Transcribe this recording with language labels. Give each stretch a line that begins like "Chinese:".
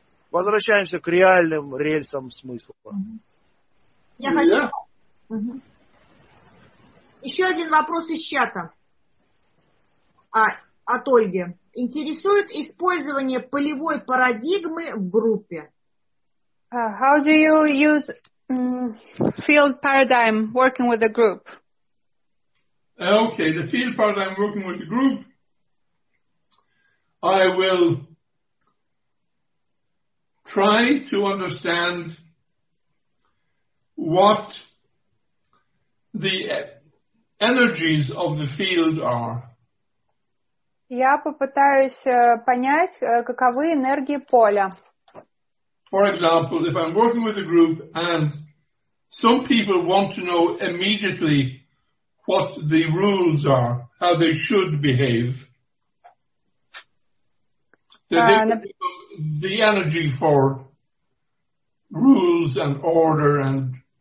Russian: Возвращаемся к реальным рельсам смысла. Я хочу... Еще один вопрос из чата. От Ольги. Интересует использование полевой парадигмы в группе?
English: How do you use field paradigm working with a group? Okay, the field paradigm working with the group. I will try to understand what the energies of the field are.
Russian: Я попытаюсь понять, каковы энергии поля.
English: For example, if I'm working with a group and some people want to know immediately what the rules are, how they should behave, then they can give them the energy for rules and order and